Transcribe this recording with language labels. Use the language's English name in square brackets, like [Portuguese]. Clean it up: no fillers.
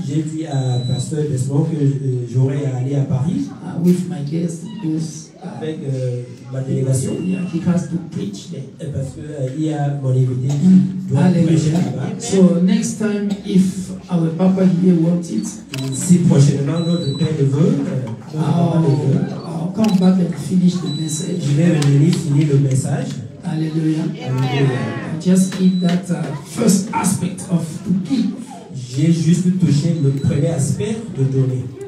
[French] J'ai dit à pasteur Desmond que j'aurais à aller à Paris. [English] With my guest, because [French] avec ma délégation. [English] Yeah, he has to preach there. [French] Parce que il y a mon invité qui doit prêcher là-bas. [English] So next time, if our papa here wants it, [French] si prochainement notre père le veut, [English] I'll come back and finish the message. [French] Je vais venir finir le message. Alléluia. Alléluia. [English] Just eat that first aspect of to give. [French] J'ai juste touché le premier aspect de donner.